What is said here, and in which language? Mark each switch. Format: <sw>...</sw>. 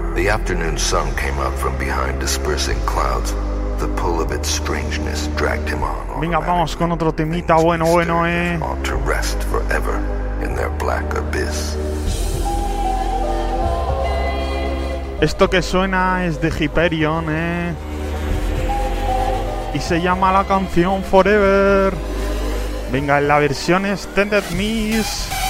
<en>afternoon sun came up from behind dispersing clouds. The pull of its strangeness dragged him on.</en> <es>Venga, vamos con otro temita bueno, bueno, eh.</es> <en>All to rest forever in their black abyss.</en> <es>Esto que suena es de Hyperion, eh. Y se llama la canción Forever. Venga, en la versión Extended Mix.</es>